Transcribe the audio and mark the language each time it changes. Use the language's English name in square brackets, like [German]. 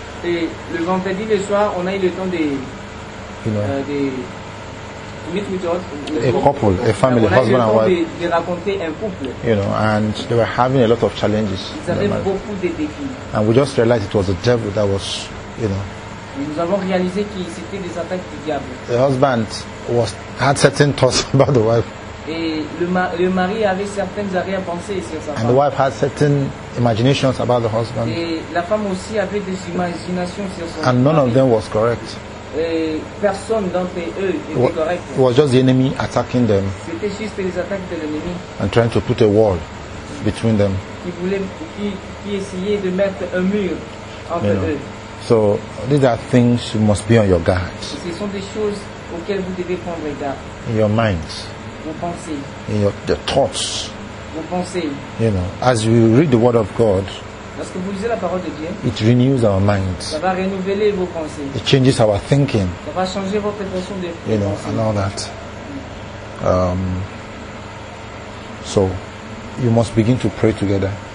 [French] Et le vendredi le soir, on a eu le temps de, [English] you know, a couple, a family, a husband and wife. [French] De raconter un couple. [English] You know, and they were having a lot of challenges. [French] Ils avaient beaucoup de défis. [English] And we just realized it was the devil that was, you know. [French] Nous avons réalisé que c'était des attaques du diable. [English] The husband had certain thoughts about the wife. [French] Et le mari avait certaines arrière-pensées sur sa femme. [English] And the wife had certain imaginations about the husband. [French] Et la femme aussi avait des imaginations sur son [English] and And none of them was correct. [French] Et personne d'entre eux était correct. [English] It was just the enemy attacking them. [French] C'était juste les attaques de l'ennemi. [English] And trying to put a wall between them. [French] Qui essayait de mettre un mur entre eux. [English] So these are things you must be on your guard. [French] Ce sont des choses auxquelles vous devez prendre garde. [English] In your minds. [French] Vos pensées. [English] In your thoughts. [French] Vos pensées. [English] You know, as you read the word of God. [French] Lorsque vous lisez la parole de Dieu. [English] It renews our minds. [French] Ça va renouveler vos pensées. [English] It changes our thinking. [French] Ça va changer votre façon de penser. [English] You know, and all that. So you must begin to pray together.